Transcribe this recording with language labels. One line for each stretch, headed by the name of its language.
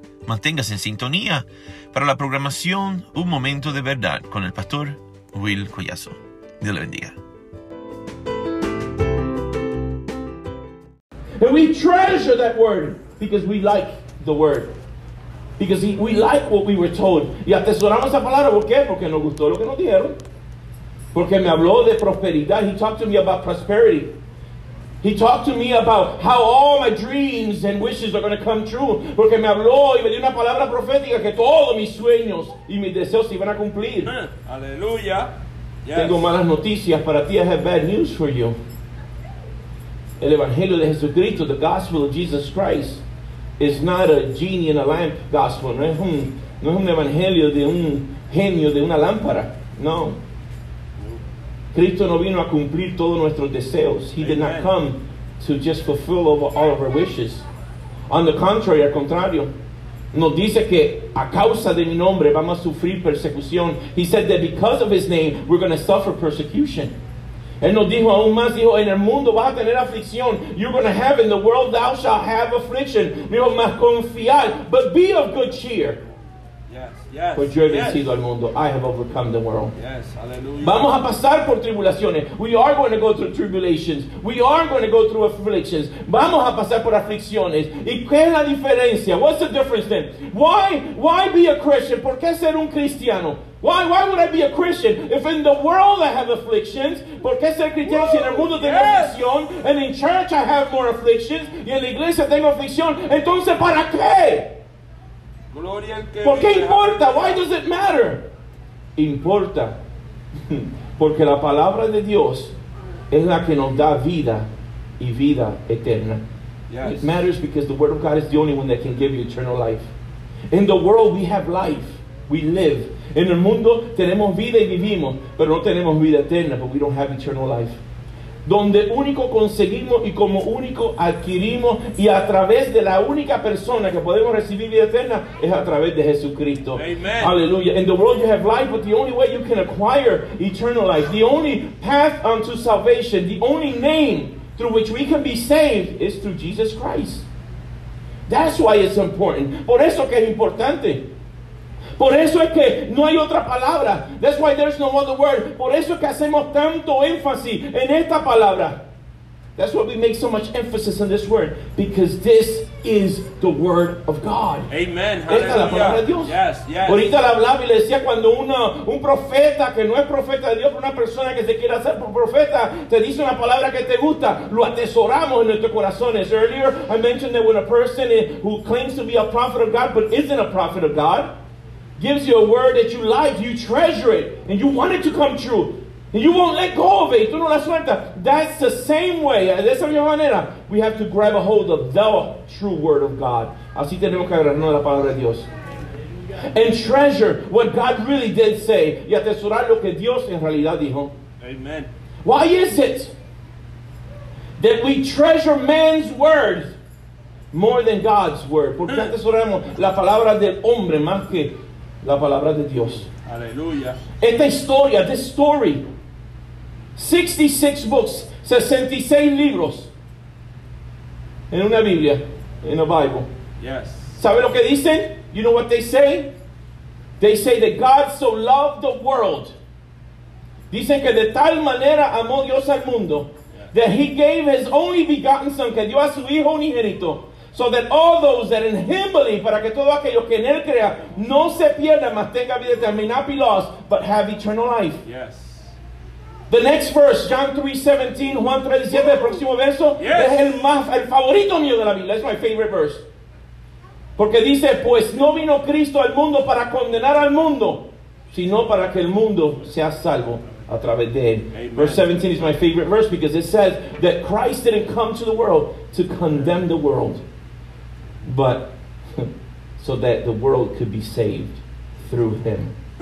Spanish: Manténgase en sintonía para la programación Un Momento de Verdad con el Pastor Will Collazo. Dios le bendiga.
English: And we treasure that word because we like the word. Because we like what we were told.
Spanish: Y atesoramos esa palabra, ¿por qué? Porque nos gustó lo que nos dieron. Porque me habló de prosperidad.
English: He talked to me about prosperity. He talked to me about how all my dreams and wishes are going to come true.
Spanish: Porque me habló y me dio una palabra profética que todos mis sueños y mis deseos se iban a cumplir. Aleluya.
English: Yes.
Spanish: Tengo malas noticias para ti.
English: I have bad news for you.
Spanish: El Evangelio de Jesucristo,
English: the Gospel of Jesus Christ, is not a genie in a lamp gospel.
Spanish: No es un Evangelio de un genio de una lámpara. No. Cristo no vino a cumplir todos nuestros deseos.
English: He did not come to just fulfill all of our wishes. On the contrary,
Spanish: al contrario, nos dice que a causa de mi nombre vamos a sufrir persecución.
English: He said that because of his name, we're going to suffer persecution.
Spanish: Él nos dijo aún más, dijo, en el mundo vas a tener aflicción.
English: You're going to have in the world, thou shalt have affliction.
Spanish: Dijo, más confiar,
English: but be of good cheer. Yes,
Spanish: for yo he vencido al mundo.
English: I have overcome the world. Yes, hallelujah.
Spanish: Vamos a pasar por tribulaciones.
English: We are going to go through tribulations. We are going to go through afflictions.
Spanish: Vamos a pasar por aflicciones. ¿Y qué es la diferencia?
English: What's the difference then? Why be a Christian?
Spanish: ¿Por qué ser un cristiano?
English: Why would I be a Christian if in the world I have afflictions?
Spanish: ¿Por qué ser cristiano si en el mundo tengo aflicción?
English: And in church I have more afflictions.
Spanish: ¿Y en la iglesia tengo aflicción? Entonces, ¿para qué? ¿Por qué importa?
English: Why does it matter?
Spanish: Importa porque la palabra de Dios es la que nos da vida y vida eterna.
English: Yes. It matters because the word of God is the only one that can give you eternal life. In the world we have life, we live.
Spanish: En el mundo tenemos vida y vivimos, pero no tenemos vida eterna,
English: but we don't have eternal life.
Spanish: Donde único conseguimos y como único adquirimos y a través de la única persona que podemos recibir vida eterna es a través de Jesucristo.
English: Amen. Hallelujah. In the world you have life, but the only way you can acquire eternal life, the only path unto salvation, the only name through which we can be saved is through Jesus Christ. That's why it's important.
Spanish: Por eso que es importante. Por eso es que no hay otra palabra.
English: That's why there's no other word.
Spanish: Por eso es que hacemos tanto énfasis en esta palabra.
English: That's why we make so much emphasis on this word. Because this is the word of God. Amen.
Spanish: Esta es la palabra de Dios.
English: Yes, yes.
Spanish: Ahorita le hablaba y le decía cuando un profeta que no es profeta de Dios, pero una persona que se quiere hacer profeta, te dice una palabra que te gusta, lo atesoramos en nuestros corazones.
English: Earlier, I mentioned that when a person who claims to be a prophet of God, but isn't a prophet of God, gives you a word that you like, you treasure it, and you want it to come true, and you won't let go of it. That's the same way.
Spanish: De esa misma manera,
English: we have to grab a hold of the true word of God.
Spanish: Así tenemos que agarrarnos la palabra de Dios.
English: And treasure what God really did say.
Spanish: Y atesorar lo que Dios en realidad dijo.
English: Amen. Why is it that we treasure man's words more than God's word?
Spanish: Porque atesoramos la palabra del hombre más que la palabra de Dios. Aleluya. Esta historia,
English: this story, 66 books,
Spanish: 66 libros en una Biblia,
English: in a Bible. Yes.
Spanish: ¿Sabe lo que dicen?
English: You know what they say? They say that God so loved the world.
Spanish: Dicen que de tal manera amó Dios al mundo, yes,
English: that he gave his only begotten son,
Spanish: que dio a su hijo unigénito,
English: so that all those that in him believe,
Spanish: para que todo aquello que en él crea, no se pierda, mas tenga vida eterna,
English: may not be lost, but have eternal life. Yes. The next verse, John 3:17,
Spanish: Juan 3:17, el próximo verso,
English: yes,
Spanish: es el favorito mío de la Biblia.
English: It's my favorite verse.
Spanish: Porque dice, pues no vino Cristo al mundo para condenar al mundo, sino para que el mundo sea salvo a través de él.
English: Amen. Verse 17 is my favorite verse because it says that Christ didn't come to the world to condemn the world, but so that the world could be saved through him.